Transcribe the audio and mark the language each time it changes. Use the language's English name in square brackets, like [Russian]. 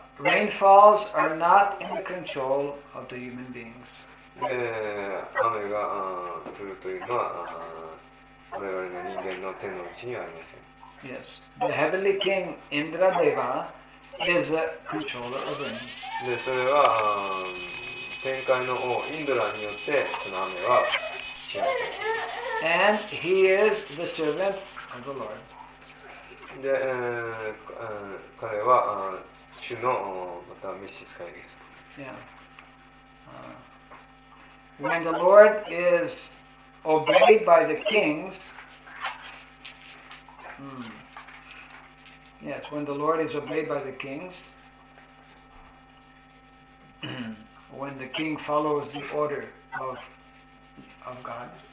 [English] Rainfalls are not in the control of the human beings. [Japanese] 雨が降るというのは、我々の人間の手の内にはありません。 [English] Yes. The heavenly king Indra Deva is a controller of rain. [Japanese] で、それは、天界の王、インドラによって、その雨は、支配されています。 [English] And he is the servant of the Lord. [Japanese] で、彼は、主の、また、召し使いです。 [English] Yeah. When the Lord is obeyed by the kings,Yes, when the Lord is obeyed by the kings, when the king follows the order of God.